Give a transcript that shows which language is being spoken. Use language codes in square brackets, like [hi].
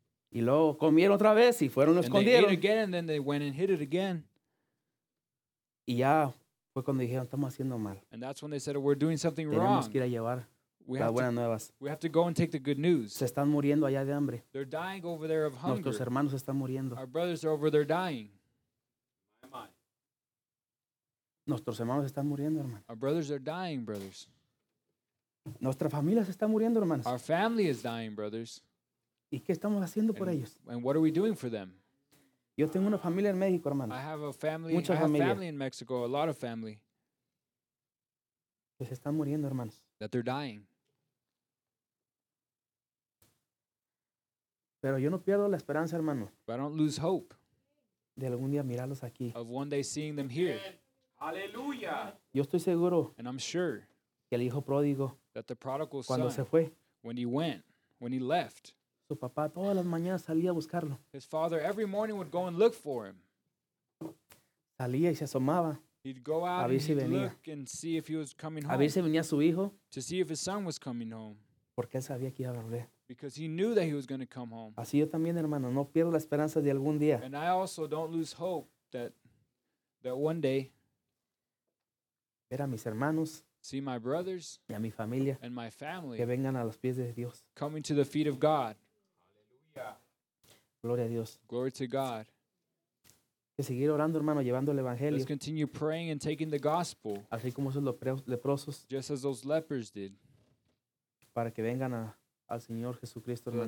[es] Y luego comieron otra vez y fueron lo escondieron. [en] And they ate again and then they went and hid it again. [es] Y ya fue cuando dijeron, estamos haciendo mal. [en] And that's when they said, we're doing something [es] tenemos [en] wrong. [es] Que ir a llevar. [en] We have to go and take the good news. [es] Se están muriendo allá de hambre. [en] They're dying over there of hunger. [es] Nuestros hermanos están muriendo. [en] Our brothers are over there dying. [es] Nuestros hermanos están muriendo, hermanos. [en] Our brothers are dying, brothers. [es] Nuestra familia se está muriendo, hermanos. [en] Our family is dying, brothers. [es] ¿Y qué estamos haciendo por ellos? [en] And what are we doing for them? [es] Yo tengo una familia en México, hermano. [en] I have a family. [es] Mucha I familia. Have family in Mexico, a lot of family. [en] Que se están muriendo, hermanos. [es] That they're dying. [en] Pero yo no pierdo la esperanza, hermano. [es] But I don't lose hope. [en] De algún día mirarlos aquí. [es] Of one day seeing them here. [en] Aleluya. [es] Yo estoy seguro. [en] And I'm sure. [es] Que el hijo pródigo. [en] That the prodigal son. [es] Cuando se fue. [en] When he went. When he left. [es] Su papá todas las mañanas salía a buscarlo. [en] His father every morning would go and look for him. [es] Salía y se asomaba. [en] He'd go out and he'd look and see if he was coming home. [es] A ver si venía su hijo. [en] To see if his son was coming home. [es] Porque él sabía que iba a volver. [en] Because he knew that he was going to come home. [es] Así yo también, hermano, no pierdo la esperanza de algún día. [en] And I also don't lose hope that one day. [es] Ver a mis hermanos. [en] See my brothers. [es] Y a mi familia. [en] And my family. [es] Que vengan a los pies de Dios. [en] Coming to the feet of God. [es] Aleluya. Gloria a Dios. [en] Glory to God. [es] Que seguir orando, hermano, llevando el evangelio. [en] Let's continue praying and taking the gospel. [es] Así como esos leprosos. [en] Just as those lepers did. [es] Para que vengan al Señor Jesucristo, hermano.